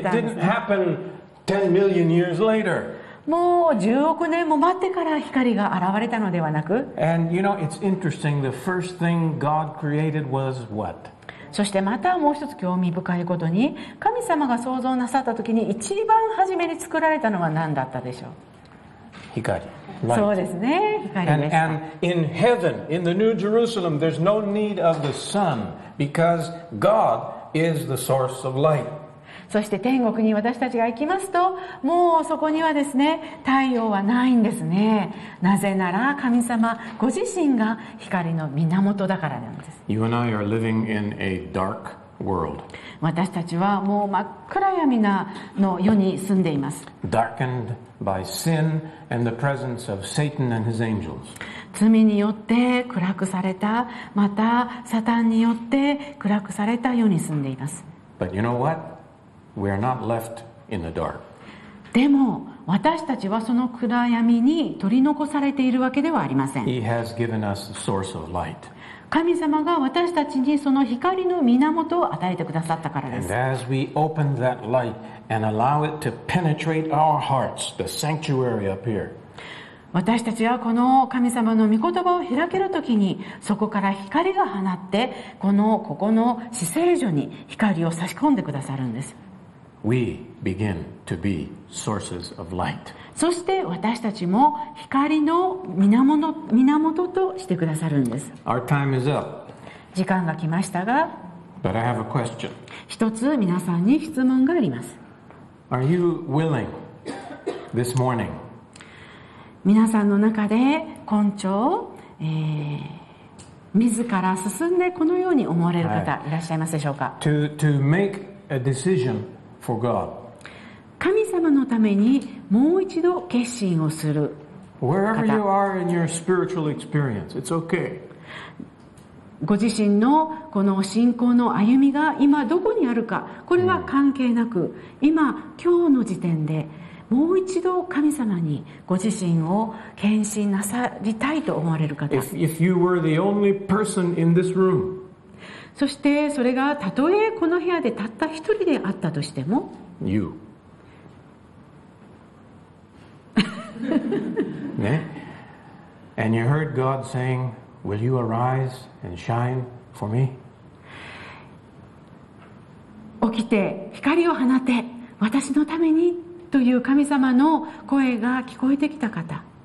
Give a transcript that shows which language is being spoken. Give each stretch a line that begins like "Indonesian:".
English: It didn't happen 10 million years later.
Japanese: もう10億年も待ってから光が現れたのではなく、
English: And you know it's interesting, the first thing God created was what?
Japanese: そしてまたもう一つ興味深いことに、神様が創造なさった時に一番初めに作られたのは何だったでしょう。光、 Light. そうですね、光です。
English: And in heaven, in the New Jerusalem, there's no need of the sun because God is the source of light.
Japanese: そして天国に私たちが行きますと、もうそこにはですね、太陽はないんですね。なぜなら神様ご自身が光の源だからなんです。
English: You and I are living in a dark world.
Japanese: 私たちはもう真っ暗闇の世に住んでいます。
English: Darkened by sin and the presence of Satan and his angels.
Japanese: 罪によって暗くされた、またサタンによって暗くされた世に住んでいます。
English: But you know what? We are not left in the dark.
Japanese: でも私たちはその暗闇に取り残されているわけではありません。
English: He has given us a source of light.
Japanese: 神様が私たちにその光の源を与えてくださったからです。
English: And as we open that light and allow it to penetrate our hearts, the sanctuary appears.
Japanese: 私たちはこの神様の御言葉を開けるときに、そこから光が放って、このここの至聖所に光を差し込んでくださるんです。
English: We begin to be sources of light.
Japanese: そして私たちも光の源としてくださるんです。
English: Our time is up.
Japanese: 時間が来ましたが、
English: But I have a question.
Japanese: 一つ皆さんに質問があります。
English: Are you willing this morning?
Japanese: 皆さんの中で今朝、自ら進んでこのように思われる方いらっしゃいますでしょうか。
English: To make a decision for God.
Japanese: 神様のためにもう一度決心をする方。
English: Wherever you are in your spiritual experience, it's okay.
Japanese: ご自身のこの信仰の歩みが今どこにあるか、これは関係なく、今今日の時点でもう一度神様にご自身を献身なさりたいと思われる方。
English: If you were the only person in this room.
Japanese: そしてそれがたとえこの部屋でたった一人であったとしても、
English: You. ね、And you heard God saying, "Will you arise and shine for me?"
Japanese: 起きて光を放て、私のためにという神様の声が聞こえてきた方。